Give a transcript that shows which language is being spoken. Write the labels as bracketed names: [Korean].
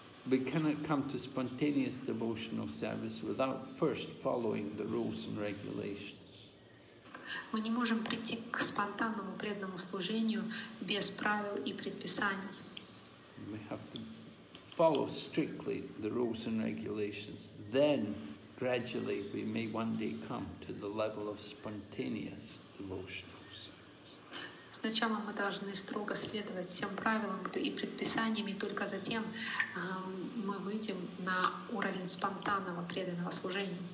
[English] We cannot come to spontaneous devotional service without first following the rules and regulations. [Russian] Мы не можем прийти к спонтанному преданному служению без правил и предписаний. [English] We have to follow strictly the rules and regulations. Then, gradually, we may one day come to the level of spontaneous devotional service. [Russian] Сначала мы должны строго следовать всем правилам и предписаниям, и только затем мы выйдем на уровень спонтанного преданного служения.